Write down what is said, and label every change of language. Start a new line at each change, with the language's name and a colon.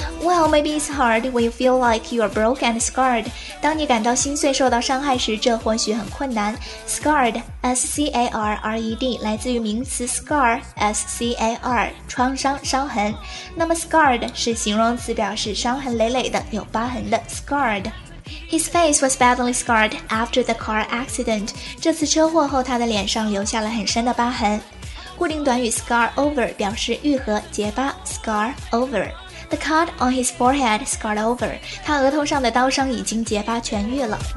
English: Well, maybe it's hard when you feel like you are broke and scarred.
Chinese: 当你感到心碎受到伤害时，这或许很困难。Scarred, S-C-A-R-R-E-D, 来自于名词 scar, S-C-A-R, 创伤、伤痕。那么 scarred 是形容词，表示伤痕累累的、有疤痕的 scarred。
English: His face was badly scarred after the car accident.
Chinese: 这次车祸后，他的脸上留下了很深的疤痕。固定短语 scar over 表示愈合、结疤 scar over.
English: The cut on his forehead scarred over.
Chinese: 他额头上的刀伤已经结疤痊愈了。